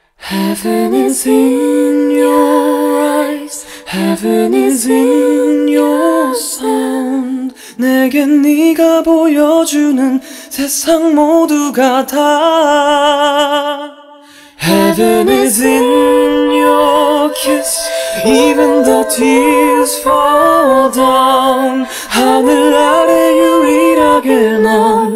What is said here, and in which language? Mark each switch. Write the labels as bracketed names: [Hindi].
[English] 'Heaven is in your eyes, heaven is in your sound. [Korean] 내게 네가 보여주는 세상 모두가 다. [English] Heaven is in your kiss, even though tears fall down. [Korean] 하늘 아래 유일하게 넌.